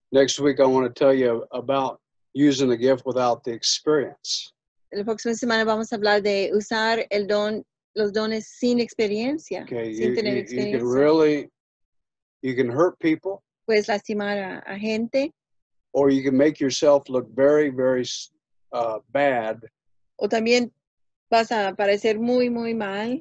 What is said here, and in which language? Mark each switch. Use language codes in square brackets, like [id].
[en] Next week I want to tell you about using the gift without the experience. [es] La próxima semana vamos a hablar de usar el don, los dones sin experiencia. [en] Okay, [es] sin tener experiencia. [en] You can hurt people. [es] Puedes lastimar a gente. [en] Or you can make yourself look very, very bad. [es] O también vas a parecer muy, muy mal.